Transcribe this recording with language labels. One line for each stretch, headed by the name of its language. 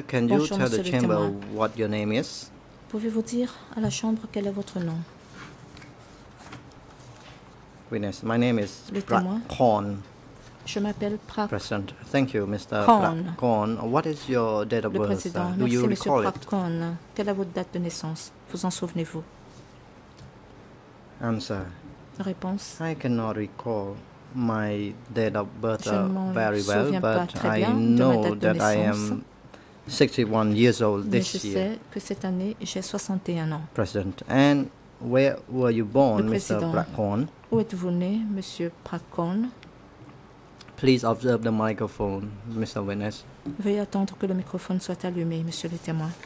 English: Can you tell the chamber what your name is?
French: Pouvez-vous dire à la chambre quel est votre nom?
English: Witness, my name is PRAK Khan.
French: Je m'appelle PRAK.
English: Present. Thank you, Mr. PRAK Khan. What is your date of birth? Do you recall it?
French: PRAK Khan, quelle est votre date de naissance? Vous en souvenez-vous?
English: Answer.
French: Réponse.
English: I cannot recall my date of birth very well, but I know that I am 61 years old this year.
French: Mais je sais que cette année, j'ai 61 ans.
English: Present. And where were you born, Mr. PRAK Khan?
French: Où êtes-vous né, Monsieur PRAK Khan?
English: Please observe the microphone, Mr. Witness.
French: Veuillez attendre que le microphone soit allumé, Monsieur le témoin.